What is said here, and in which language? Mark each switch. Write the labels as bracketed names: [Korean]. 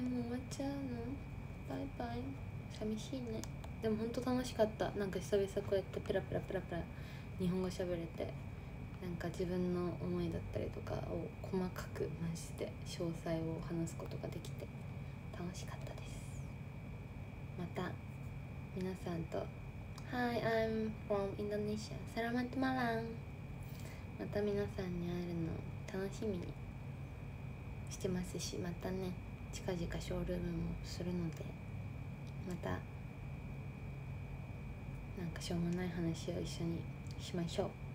[Japanese] もう終わっちゃうの、バイバイ、寂しいね。でも本当楽しかった、なんか久々こうやってペラペラペラペラ日本語喋れて、なんか自分の思いだったりとかを細かくマジで詳細を話すことができて楽しかったです。また皆さんと、 [English] Hi, I'm from Indonesia. [Indonesian] Selamat malam. [Japanese] また皆さんに会えるの楽しみにしてますし、またね近々ショールームもするので、またなんかしょうもない話を一緒にしましょう。